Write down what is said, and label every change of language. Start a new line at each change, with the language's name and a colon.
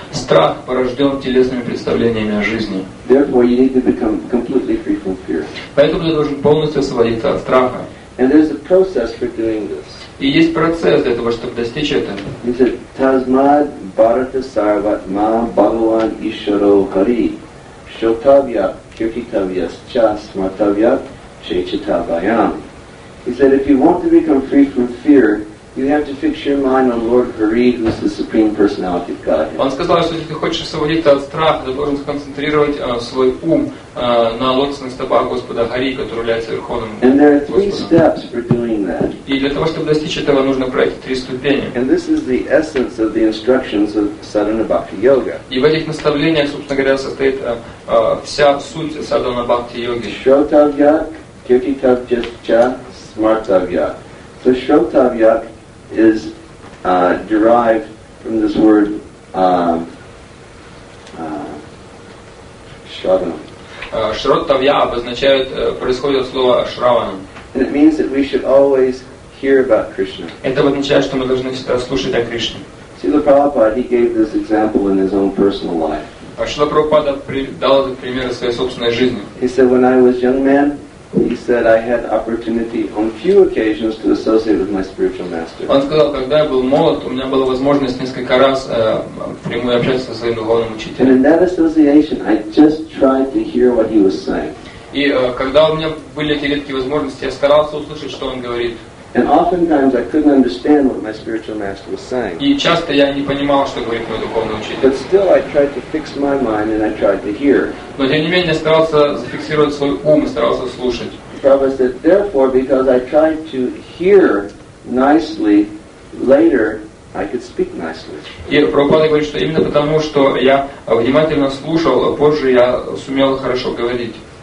Russian: Страх порожден телесными представлениями о жизни.
English: Therefore, you need to become completely free from fear.
Russian: Поэтому ты должен полностью освободиться от страха.
English: And there's a process for doing this.
Russian: И есть процесс для того, чтобы достичь этого.
English: He said,
Sanskrit: Tasmad Bharata Sarvat Ma Bhagavan Ishvaro Hari Shrotavya Kirtitavyas Cha Smartavya Chaitavayam.
English: He said, if you want to become free from fear, you have to fix your mind on Lord Hari, who is the Supreme Personality of God.
Russian: Он сказал, что если ты хочешь освободиться от страха, ты должен сконцентрировать свой ум на лотосных стопах Господа Хари, который является Верховным Господом.
English: And there are 3 steps for doing that.
Russian: И для того, чтобы достичь этого, нужно пройти 3 ступени.
English: And this is the essence of the instructions of Sadhana Bhakti Yoga.
Russian: И в этих наставлениях, собственно говоря, состоит вся суть Sadhana Bhakti Yoga.
Sanskrit: Shrotavya, Kirtitavya, Cha, Smartavya.
English: So Shrotavya is derived from this word Shravanam.
Russian: Shrotavya обозначает, происходит слово Shravanam.
English: And it means that we should always hear about Krishna.
Russian: Это означает, что мы должны всегда слушать о Кришне.
English: Srila Prabhupada, he gave this example in his own personal life.
Russian: Srila Prabhupada дал этот пример из своей собственной жизни.
English: He said, when I was young man, he said, I had opportunity on few occasions to associate with my spiritual master.
Russian: Он сказал, когда я был молод, у меня была возможность несколько раз прямую общаться со своим духовным учителем.
English: And in that association, I just tried to hear what he was saying.
Russian: И когда у меня были эти редкие возможности, я старался услышать, что он говорит.
English: And oftentimes I couldn't understand what my spiritual master was saying.
Russian: И часто я не понимал, что говорит мой духовный учитель.
English: But still I tried to fix my mind and I tried to hear.
Russian: Но тем не менее я старался зафиксировать свой ум и старался слушать.
English: Prabhupada said, therefore, because I tried to hear nicely, later I could speak nicely.
Russian: И Прабхупада говорит, что именно потому, что я внимательно слушал, позже я сумел хорошо говорить.